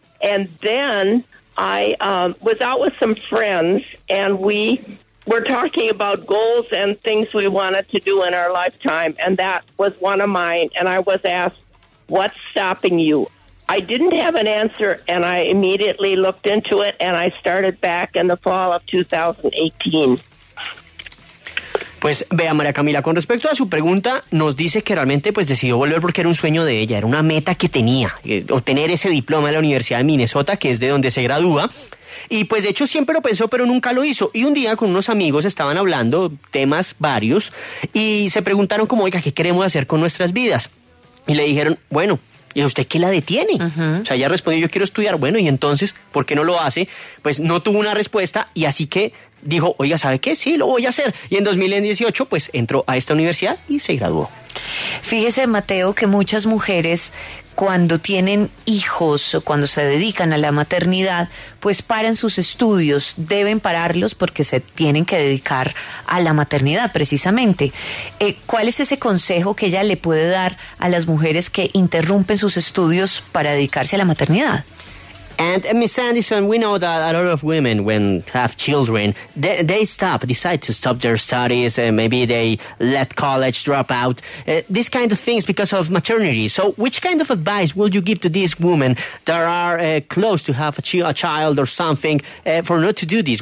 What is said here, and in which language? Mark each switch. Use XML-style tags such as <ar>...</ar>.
<en>And then I was out with some friends, and we were talking about goals and things we wanted to do in our lifetime, and that was one of mine. And I was asked, what's stopping you? I didn't have an answer, and I immediately looked into it, and I started back in the fall of 2018.</en> <es>Pues vea, María Camila, con respecto a su pregunta, nos dice que realmente pues decidió volver porque era un sueño de ella, era una meta que tenía, obtener ese diploma de la Universidad de Minnesota, que es de donde se gradúa, y pues de hecho siempre lo pensó, pero nunca lo hizo. Y un día con unos amigos estaban hablando temas varios y se preguntaron como, oiga, ¿qué queremos hacer con nuestras vidas? Y le dijeron, bueno, ¿y usted qué la detiene? Uh-huh. O sea, ella respondió, yo quiero estudiar. Bueno, y entonces, ¿por qué no lo hace? Pues no tuvo una respuesta y así que dijo, oiga, ¿sabe qué? Sí, lo voy a hacer. Y en 2018, pues, entró a esta universidad y se graduó. Fíjese, Mateo, que muchas mujeres cuando tienen hijos o cuando se dedican a la maternidad, pues paran sus estudios, deben pararlos porque se tienen que dedicar a la maternidad, precisamente. ¿Cuál es ese consejo que ella le puede dar a las mujeres que interrumpen sus estudios para dedicarse a la maternidad?</es> <en>And Ms. Sandison, we know that a lot of women, when have children, decide to stop their studies, and maybe they let college drop out, these kind of things because of maternity. So which kind of advice will you give to these women that are close to have a child or something for not to do this?</en>